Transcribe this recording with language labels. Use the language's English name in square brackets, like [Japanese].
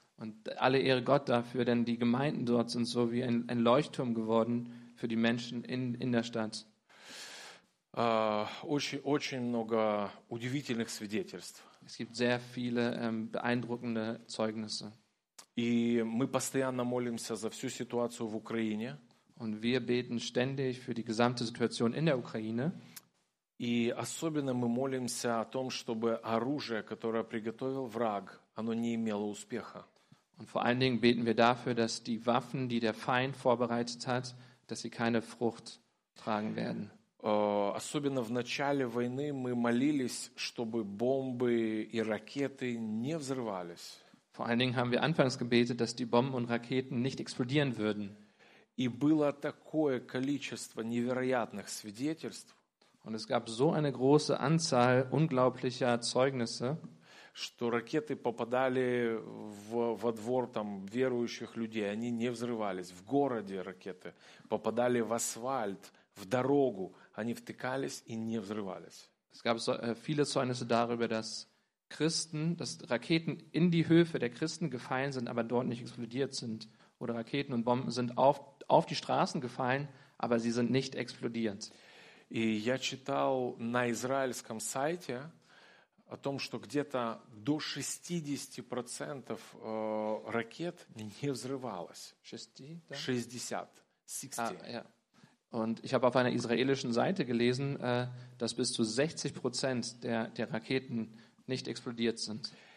[German] Und alle Ehre Gott dafür, denn die Gemeinden dort sind so wie ein Leuchtturm geworden für die Menschen in der Stadt. [Russian] Очень много удивительных свидетельств. [German] Es gibt sehr viele beeindruckende Zeugnisse. [Russian] И мы постоянно молимся за всю ситуацию в Украине. [German] Und wir beten ständig für die gesamte Situation in der Ukraine. [Russian] И особенно мы молимся о том, чтобы оружие, которое приготовил враг, оно не имело успеха. [German] Und vor allen Dingen beten wir dafür, dass die Waffen, die der Feind vorbereitet hat, dass sie keine Frucht tragen werden. [Russian] Особенно в начале войны мы молились, чтобы бомбы и ракеты не взрывались. [German] Vor allen Dingen haben wir anfangs gebetet, dass die Bomben und Raketen nicht explodieren würden. [Russian] И было такое количество невероятных свидетельств. [German] Und es gab so eine große Anzahl unglaublicher Zeugnisse, [Russian] что ракеты попадали во двор там верующих людей, они не взрывались. В городе ракеты попадали в асфальт, в дорогу, они втыкались и не взрывались. [German] Es gab so viele Zeugnisse darüber, dass Christen, dass Raketen in die Höfe der Christen gefallen sind, aber dort nicht explodiert sind. Oder Raketen und Bomben sind auf die Straßen gefallen, aber sie sind nicht explodiert. [Russian] И я читал на израильском сайте о том, что где-то до 60% ракет не взрывалось. 60. [German] Und ich habe auf einer israelischen Seite gelesen, dass bis zu 60% der Raketen nicht explodiert sind.